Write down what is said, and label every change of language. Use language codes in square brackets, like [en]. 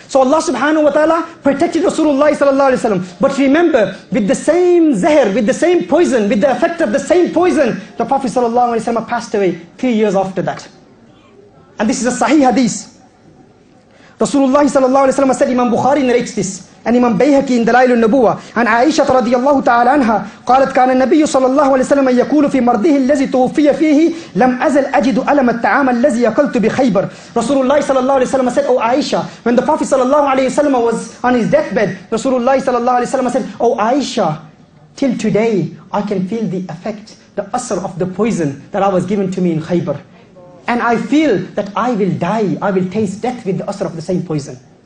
[en] So Allah subhanahu wa ta'ala protected Rasulullah sallallahu alayhi wa sallam. But remember, with the same zahir, with the same poison, with the effect of the same poison, the Prophet sallallahu alayhi wa sallam passed away 3 years after that. And this is a sahih hadith. Rasulullah sallallahu alayhi wa sallam said, Imam Bukhari narrates this. And Imam Bayhaqi in Dalail al-Nubuwa, and Aisha radiyallahu ta'ala anha, [ar] قالت كان النبي صلى الله عليه وسلم يقول في مرضه الذي توفي فيه لم أزل أجد ألم الطعام الذي أكلت بخيبر. [en] Rasulullah sallallahu alayhi wa sallam said, Oh Aisha, when the Prophet sallallahu alayhi wa sallam was on his deathbed, Rasulullah sallallahu alayhi wa sallam said, Oh Aisha, till today I can feel the effect, the asr of the poison that I was given to me in Khaybar. And I feel that I will die, I will taste death with the asr of the same poison.